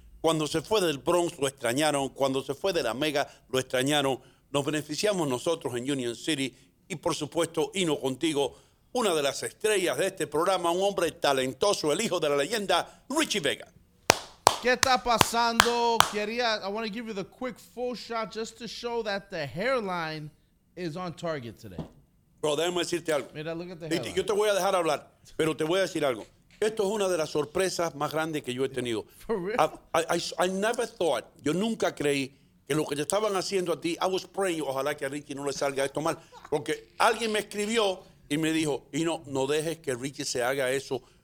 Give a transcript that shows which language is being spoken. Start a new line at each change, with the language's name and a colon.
Spanish: Cuando se fue del Bronx, lo extrañaron. Cuando se fue de la Mega, lo extrañaron. Nos beneficiamos nosotros en Union City. Y, por supuesto, Hino contigo, una de las estrellas de este programa, un hombre talentoso, el hijo de la leyenda, Richie Vega. ¿Qué está pasando? Quería,
English: I want to give you the quick full shot just to show that the hairline is on target today.
Spanish: Bro, déjame decirte algo. Mira,
English: look at the hairline.
Spanish: Yo te voy a dejar hablar, pero te voy a decir algo. Esto es una de las sorpresas más grandes que yo he tenido.
English: For real?
Spanish: Yo nunca creí que lo que te estaban haciendo a ti,
English: I was praying,
Spanish: ojalá que a Ricky no le salga esto mal. Porque alguien me escribió y me dijo, y no dejes que Ricky se haga eso